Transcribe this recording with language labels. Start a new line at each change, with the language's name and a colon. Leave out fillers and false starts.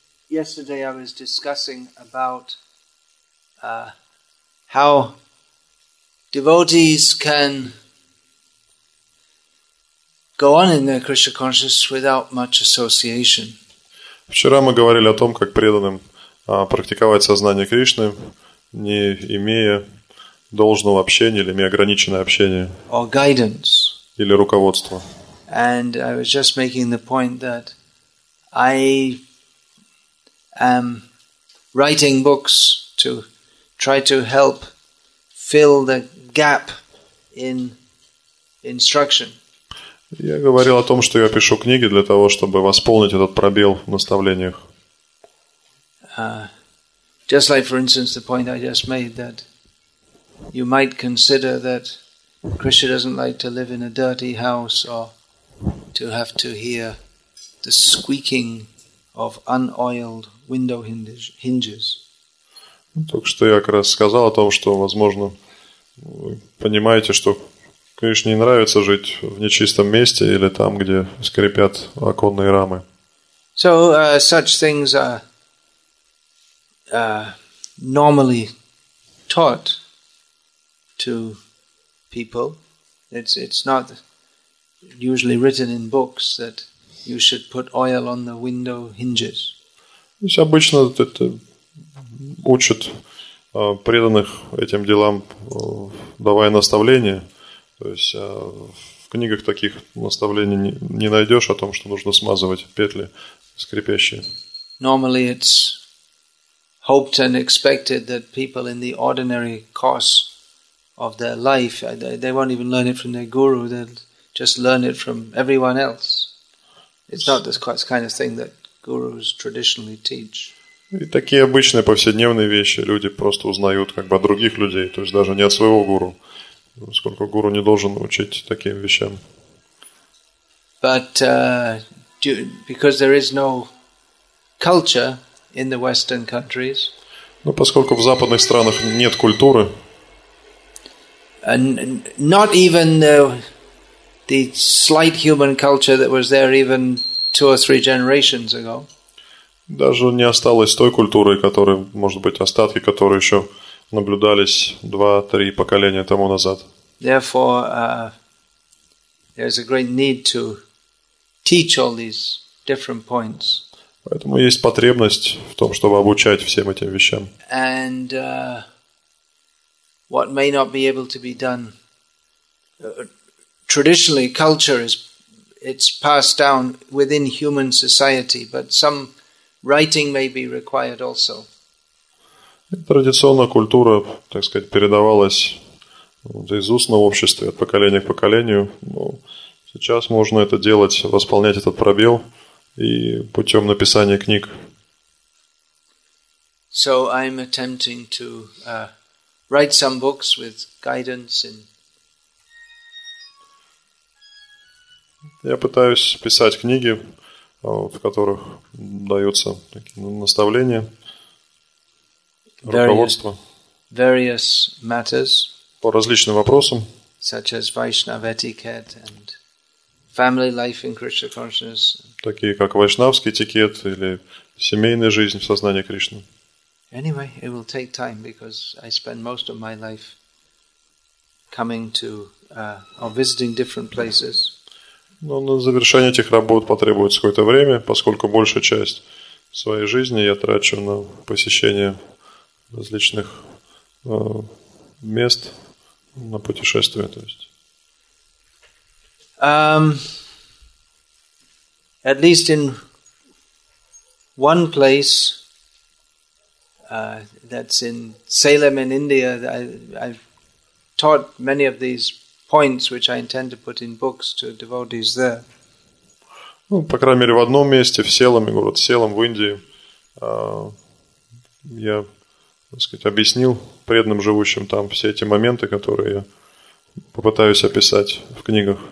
English: Yesterday I was discussing about how devotees can go on in their Krishna consciousness without much association.
Russian: Вчера мы говорили о том, как преданным практиковать сознание Кришны, не имея должного общения или имея ограниченное общение
English: or guidance.
Russian: Или руководство.
English: And I was just making the point that I am writing books to try to help fill the gap in instruction.
Russian: Я говорил о том, что я пишу книги для того, чтобы восполнить этот пробел в наставлениях.
English: Just like, for instance, the point I just made that you might consider that Krishna doesn't like to live in a dirty house or to have to hear the squeaking of unoiled window hinges.
Russian: Только что я как раз сказал о том, что, возможно, вы понимаете, что Кришне не нравится жить в нечистом месте или там, где скрипят оконные рамы.
English: So, such things are normally taught to people. It's not usually written in books that you should put oil on the window hinges.
Russian: Здесь обычно это учат преданных этим делам, давая наставления. То есть в книгах таких наставлений не найдешь о том, что нужно смазывать петли скрипящие.
English: Normally it's hoped and expected that people in the ordinary course of their life. They won't even learn it from their guru. They'll just learn it from everyone else. It's not this kind of thing that gurus traditionally teach.
Russian: И такие обычные повседневные вещи люди просто узнают как бы от других людей, то есть даже не от своего гуру. Сколько гуру не должен учить таким вещам.
English: But because there is no culture in the Western countries.
Russian: Но поскольку в западных странах нет культуры.
English: And not even the slight human culture that was there even 2 or 3 generations ago.
Russian: Даже не осталось той культуры, которой, может быть, остатки, которые еще наблюдались 2-3 поколения тому назад.
English: Therefore, there is a great need to teach all these different points.
Russian: Поэтому есть потребность в том, чтобы обучать всем этим вещам.
English: And what may not be able to be done traditionally, culture is it's passed down within human society, but some writing may be required also.
Russian: Традиционная культура, так сказать, передавалась из уст на обществе от поколения к поколению. Но сейчас можно это делать, восполнять этот пробел и путем написания книг.
English: So I'm attempting to write some books with guidance in.
Russian: Я пытаюсь писать книги, в которых даются такие наставления, руководство
English: various matters,
Russian: по различным вопросам,
English: such as Vaishnav etiquette and family life in Krishna consciousness,
Russian: такие как вайшнавский этикет или семейная жизнь в сознании Кришны.
English: Anyway, it will take time because I spend most of my life coming to or visiting different places.
Russian: Но на завершение этих работ потребуется какое-то время, поскольку большая часть своей жизни я трачу на посещение различных мест, на путешествия. То есть.
English: At least in one place, that's in Salem in India, I've taught many of these points which I intend to put in books to devotees there.
Russian: Ну, по крайней мере, в одном месте, в Селаме, город Селам в Индии, я, так сказать, объяснил преданным живущим там все эти моменты, которые я попытаюсь описать в книгах.